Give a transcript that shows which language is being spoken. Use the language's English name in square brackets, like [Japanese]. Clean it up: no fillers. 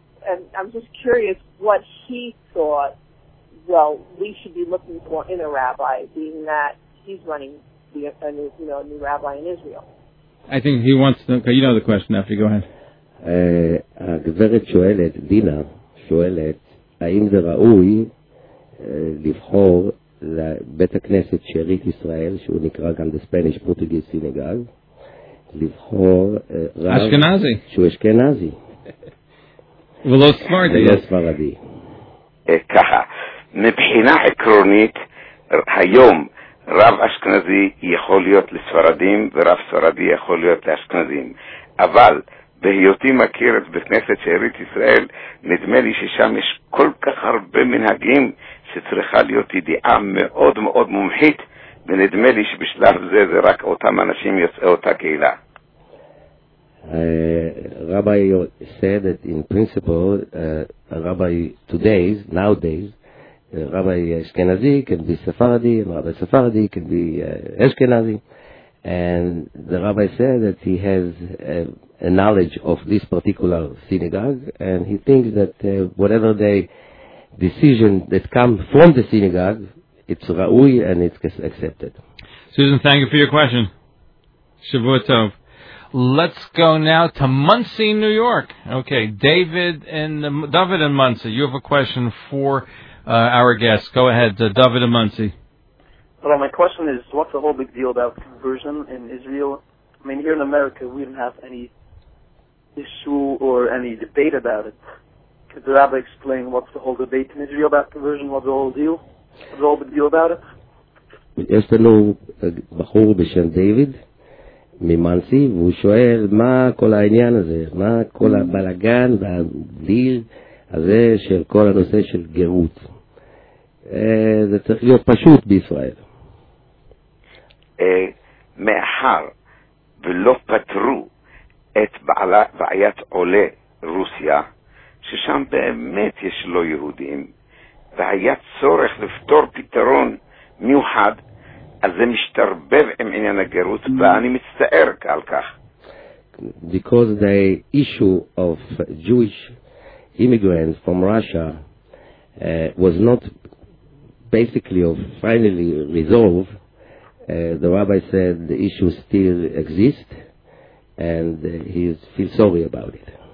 [English] And I'm just curious what he thought, well, we should be looking for in a rabbi, being that he's running a new rabbi in Israel. I think he wants to, okay, you know the question, Effie, go ahead. [Hebrew] הגברת שואלת, דינה שואלת, האם זה ראוי לבחור לבית הכנסת שארית ישראל, שהוא נקרא גם [English] the Spanish Portuguese synagogue, [Hebrew] לבחור רב... אשכנזי. שהוא אשכנזי. ולא ספרדי. ולא ספרדי. ככה, מבחינה עקרונית, היום רב אשכנזי יכול להיות לספרדים, ורב ספרדי יכול להיות לאשכנזים. אבל, בהיותי מכיר את בכנסת שארית ישראל, נדמה לי ששם יש כל כך הרבה מנהגים שצריכה להיות ידיעה מאוד מאוד מומחית, ונדמה לי שבשלב זה זה רק אותם אנשים יוצאי אותה קהילה. [English] Rabbi said that in principle, Rabbi nowadays Rabbi Ashkenazi can be Sephardi, and Rabbi Sephardi can be Ashkenazi. And the rabbi said that he has a knowledge of this particular synagogue, and he thinks that whatever the decision that comes from the synagogue, it's ra'uy and it's accepted. Susan, thank you for your question. Shavuot Tov. Let's go now to Muncie, New York. Okay, David and Muncie, you have a question for our guests. Go ahead, David and Muncie. Hello, my question is, what's the whole big deal about conversion in Israel? I mean, here in America, we didn't have any issue or any debate about it. Could the rabbi explain what's the whole debate in Israel about conversion? What's the whole deal? What's the whole big deal about it? [Hebrew] יש לנו בחור בשם דיוויד ממנסי, והוא שואל מה כל העניין הזה, מה כל הבלגן והדיל הזה של כל הנושא של גירות. זה צריך להיות פשוט בישראל. מאחר ולא פתרו את בעיית עולי רוסיה, ששם באמת יש לא יהודים, והיה צורך לפתור פתרון מיוחד, אז זה משתרבב עם עניין הגירות, ואני מצטער על כך. [English] Because the issue of Jewish immigrants from Russia was not basically or finally resolved, the rabbi said the issue still exists, and he feels sorry about it.